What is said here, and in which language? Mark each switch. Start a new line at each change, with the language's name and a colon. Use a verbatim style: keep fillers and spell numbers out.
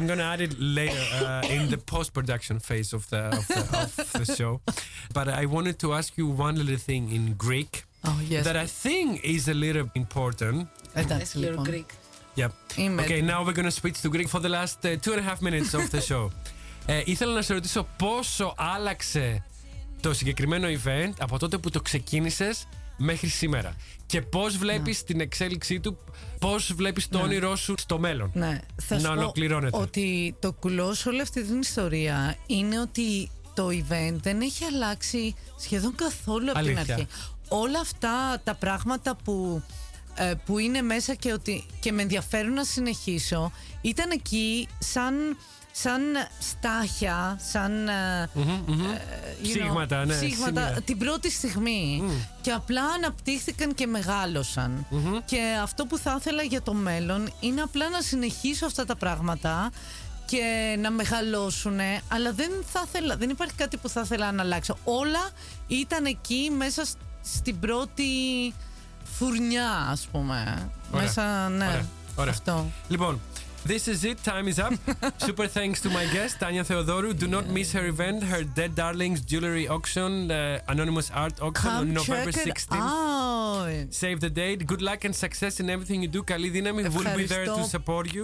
English: I'm gonna add it later uh, in the post-production phase of the of the, of the show. But I wanted to ask you one little thing in Greek. Oh yes. That I think is a little important. That's a little Greek. Yep. Okay, now we're gonna switch to Greek for the last uh, two and a half minutes of the show.
Greek: ε, ήθελα να σε ρωτήσω πόσο άλλαξε το συγκεκριμένο event από τότε που το ξεκίνησες μέχρι σήμερα. Και πώς βλέπεις
English: yeah.
Greek: την εξέλιξή του, πώς βλέπεις το
English: yeah.
Greek: όνειρό σου στο μέλλον. Ναι, θα να ολοκληρώνεται. Ότι το κουλό σε όλη αυτή την ιστορία είναι ότι το event δεν έχει αλλάξει σχεδόν καθόλου από την αρχή. Όλα αυτά τα πράγματα που, ε, που είναι μέσα και, ότι, και με ενδιαφέρουν να συνεχίσω ήταν εκεί σαν... σαν στάχια, σαν mm-hmm, mm-hmm. Uh, ψήγματα,
English: know,
Greek: ναι, ψήγματα την πρώτη στιγμή mm. και απλά αναπτύχθηκαν και μεγάλωσαν mm-hmm. και αυτό που θα ήθελα για το μέλλον είναι απλά να συνεχίσω αυτά τα πράγματα και να μεγαλώσουν, αλλά δεν, θα θέλα, δεν υπάρχει κάτι που θα ήθελα να αλλάξω. Όλα ήταν εκεί μέσα στην πρώτη φουρνιά, ας πούμε. Ωραία. Μέσα, ναι, Ωραία. Ωραία. Αυτό. Λοιπόν,
English: this is it. Time is up. Super thanks to my guest, Tanya Theodorou. Do not miss her event, her Dead Darlings Jewelry Auction, uh, Anonymous Art Auction Come on November sixteenth. Save the date. Good luck and success in everything you do.
Greek: Καλή δύναμη.
English: We'll be there to support you.